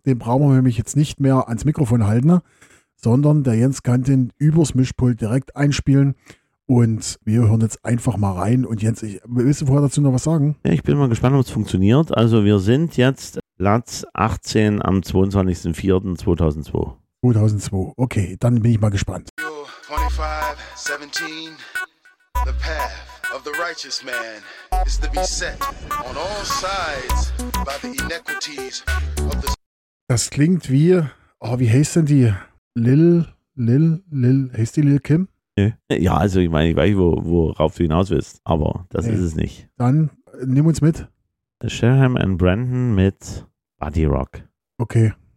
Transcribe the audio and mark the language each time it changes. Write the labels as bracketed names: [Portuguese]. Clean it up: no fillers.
[German] Den brauchen wir nämlich jetzt nicht mehr ans Mikrofon halten, sondern der Jens kann den übers Mischpult direkt einspielen. Und wir hören jetzt einfach mal rein. Und Jens, willst du vorher dazu noch was sagen? Ja, ich bin mal gespannt, ob es funktioniert. Also wir sind jetzt Platz 18 am 22.04.2002. 2002, okay. Dann bin ich mal gespannt. [English] 25, 17, the path of the righteous man is to be set on all sides by the inequities of the... [German] Das klingt wie, oh, wie heißt denn die? Lil, heißt die Lil Kim? Ja, also ich meine, ich weiß, worauf du hinaus willst, aber das ist es nicht. Dann nimm uns mit. Sherham and Brandon mit Buddy Rock. Okay.